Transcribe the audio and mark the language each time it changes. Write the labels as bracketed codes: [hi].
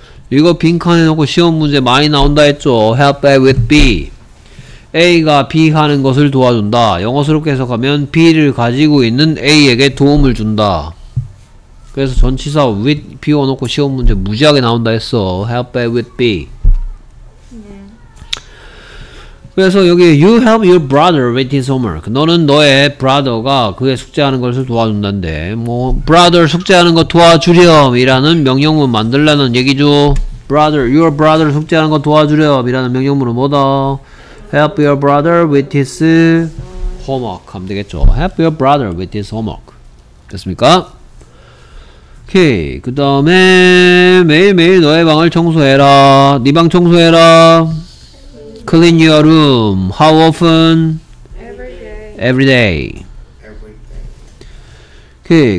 [ko] 이거 빈칸에 놓고 시험 문제 많이 나온다 했죠? [en] Help A with B. [ko] A가 B 하는 것을 도와준다. 영어스럽게 해석하면 B를 가지고 있는 A에게 도움을 준다. 그래서 전치사 with 비워 놓고 시험 문제 무지하게 나온다 했어. [en] Help A with B. 그래서 여기 You help your brother with his homework. [ko] 너는 너의 brother가 그의 숙제하는 것을 도와준단데 뭐 brother 숙제하는 거 도와주렴 이라는 명령문 만들라는 얘기죠. Brother, your brother 숙제하는 거 도와주렴 이라는 명령문은 뭐다? [en] Help your brother with his homework [ko] 하면 되겠죠. [en] Help your brother with his homework. [ko] 됐습니까? 오케이. 그 다음에 매일매일 너의 방을 청소해라. 네 방 청소해라. [en] Clean your room. How often? Every day. Okay.